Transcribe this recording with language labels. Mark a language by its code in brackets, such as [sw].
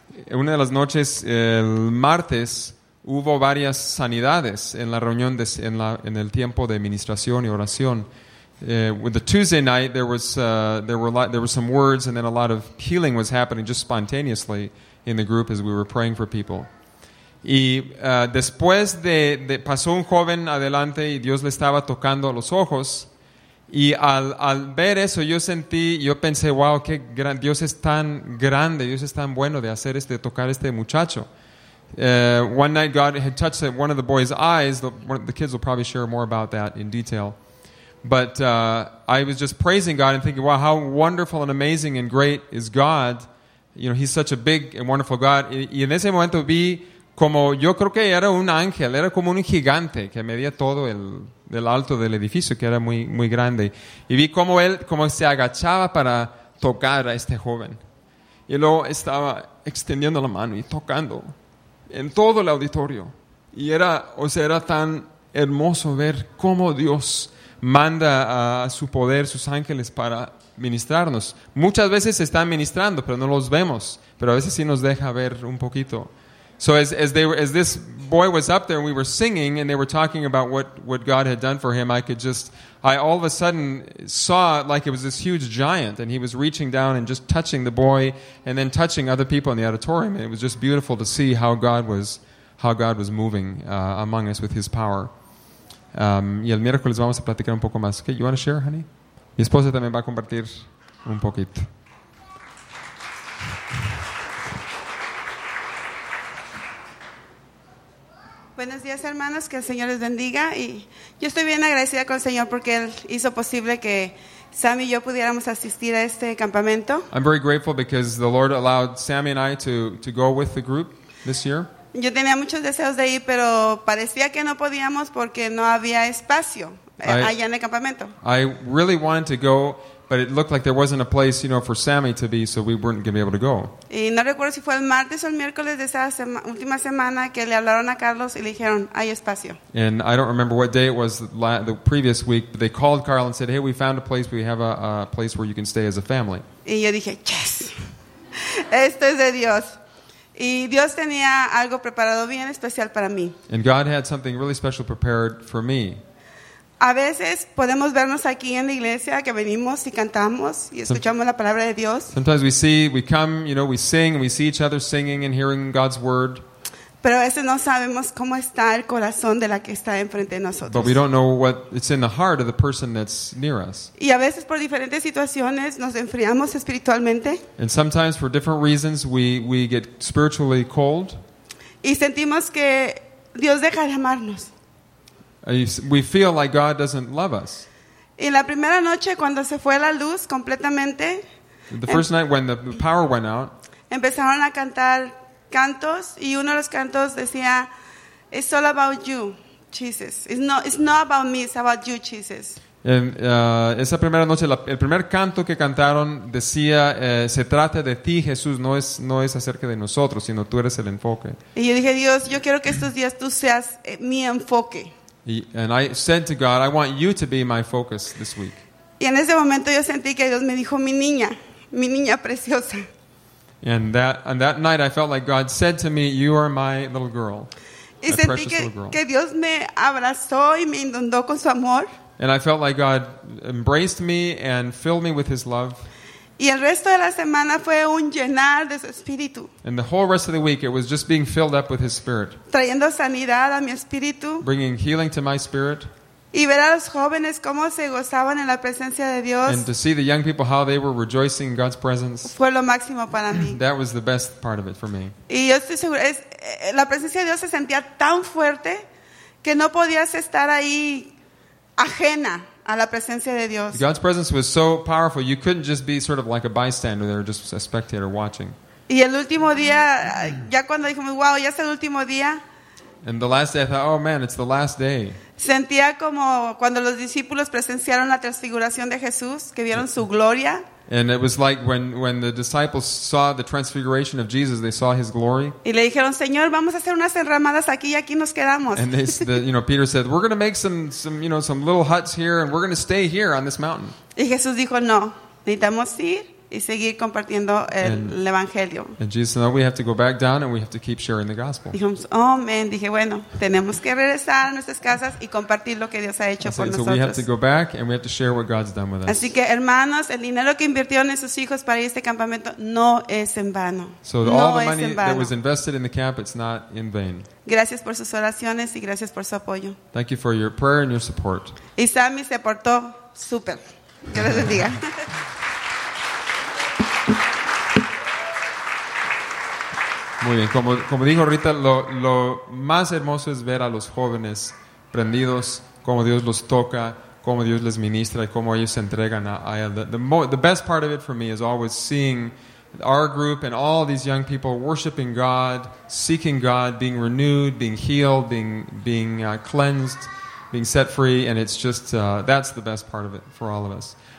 [es] Una de las noches el martes hubo varias sanidades en la reunión en el tiempo de administración y oración. [en] With the Tuesday night, there were some words, and then a lot of healing was happening just spontaneously in the group as we were praying for people. [es] Y después de pasó un joven adelante y Dios le estaba tocando los ojos, y al ver eso yo pensé, wow, qué gran, Dios es tan grande, Dios es tan bueno de hacer de tocar este muchacho. [en] One night God had touched one of the boy's eyes. The kids will probably share more about that in detail. But I was just praising God and thinking, wow, how wonderful and amazing and great is God. You know, he's such a big and wonderful God. [es] Y en ese momento vi como, yo creo que era un ángel, era como un gigante que medía todo el alto del edificio, que era muy, muy grande. Y vi como él, como se agachaba para tocar a este joven. Y luego estaba extendiendo la mano y tocando en todo el auditorio. Y era, o sea, era tan hermoso ver cómo Dios manda a su poder, sus ángeles, para ministrarnos. Muchas veces están ministrando, pero no los vemos. Pero a veces sí nos deja ver un poquito. [en] So as this boy was up there, and we were singing, and they were talking about what God had done for him, I all of a sudden saw like it was this huge giant, and he was reaching down and just touching the boy, and then touching other people in the auditorium. And it was just beautiful to see how God was moving among us with his power. [es] Y el miércoles vamos a platicar un poco más. [en] Okay, you want to share, honey? [es] Mi esposa también va a compartir un poquito. Buenos días, hermanos. Que el Señor les bendiga. Y yo estoy bien agradecida con el Señor porque Él hizo posible que Sam y yo pudiéramos asistir a este campamento. [en] I'm very grateful because the Lord allowed Sammy and I to go with the group this year. [es] Yo tenía muchos deseos de ir, pero parecía que no podíamos porque no había espacio allá en el campamento. [en] I really wanted to go, but it looked like there wasn't a place, you know, for Sammy to be, so we weren't going to be able to go. [es] Y no recuerdo si fue el martes o el miércoles de esa última semana que le hablaron a Carlos y le dijeron, hay espacio. [en] And I don't remember what day it was the previous week, but they called Carl and said, hey, we found a place, we have a place where you can stay as a family. [es] Y yo dije, [en] yes, [es] esto es de Dios. Y Dios tenía algo preparado bien especial para mí. [en] And God had something really special prepared for me. [es] A veces podemos vernos aquí en la iglesia que venimos y cantamos y escuchamos la palabra de Dios. [en] Sometimes we come, you know, we sing, we see each other singing and hearing God's word. [es] Pero a veces no sabemos cómo está el corazón de la que está enfrente de nosotros. [en] But we don't know what it's in the heart of the person that's near us. [es] Y a veces por diferentes situaciones nos enfriamos espiritualmente. [en] And sometimes for different reasons we get spiritually cold. [es] Y sentimos que Dios deja de amarnos. [en] We feel like God doesn't love us. [es] Y la primera noche cuando se fue la luz completamente. [en] The first night when the power went out. [es] Empezaron a cantar cantos y uno de los cantos decía, [en] "It's all about you, Jesus. It's not about me. It's about you, Jesus." [es] En esa primera noche, el primer canto que cantaron decía, "Se trata de ti, Jesús. No es acerca de nosotros, sino tú eres el enfoque." Y yo dije, Dios, yo quiero que estos días tú seas mi enfoque. [en] And I said to God, I want you to be my focus this week. [es] Y en ese momento yo sentí que Dios me dijo, mi niña preciosa. [en] And that night I felt like God said to me, you are my little girl. [es] Y sentí que Dios me abrazó y me inundó con su amor. [en] And I felt like God embraced me and filled me with his love. [es] Y el resto de la semana fue un llenar de su espíritu. [en] And the whole rest of the week it was just being filled up with his spirit. [es] Trayendo sanidad a mi espíritu. [en] Bringing healing to my spirit. [es] Y ver a los jóvenes cómo se gozaban en la presencia de Dios. [en] And to see the young people how they were rejoicing in God's presence. [es] Fue lo máximo para mí. [en] That was the best part of it for me. [es] Y yo estoy segura, la presencia de Dios se sentía tan fuerte que no podías estar ahí ajena a la presencia de Dios. [en] God's presence was so powerful, you couldn't just be sort of like a bystander there, just a spectator watching. [es] Y el último día, ya cuando dijimos, wow, ya es el último día. [en] And the last day, I thought, oh man, it's the last day. [es] Sentía como cuando los discípulos presenciaron la transfiguración de Jesús, que vieron su gloria. [en] And it was like when the disciples saw the transfiguration of Jesus, they saw his glory. [es] Y le dijeron, Señor, vamos a hacer unas enramadas aquí y aquí nos quedamos. [en] And Peter said, we're going to make some little huts here and we're going to stay here on this mountain. [es] Y Jesús dijo, no, necesitamos ir y seguir compartiendo el evangelio. [en] And Jesus said, no, we have to go back down and we have to keep sharing the gospel. [es] Dijimos, [en] oh man, [es] dije, bueno, tenemos que regresar a nuestras casas y compartir lo que Dios ha hecho por nosotros. [en] So we have to go back and we have to share what God's done with us. [es] Así que hermanos, el dinero que invirtieron en sus hijos para ir a este campamento no es en vano. [en] So all the money that was invested in the camp, it's not in vain. [es] Gracias por sus oraciones y gracias por su apoyo. [en] Thank you for your prayer and your support. [es] Y Sammy se portó súper. Que les bendiga. Muy bien, como dijo Rita, lo más hermoso es ver a los jóvenes prendidos, cómo Dios los toca, cómo Dios les ministra y cómo ellos se entregan a Él. [en] The best part of it for me is always seeing our group and all these young people worshiping God, seeking God, being renewed, being healed, being cleansed, being set free, and it's just, that's the best part of it for all of us.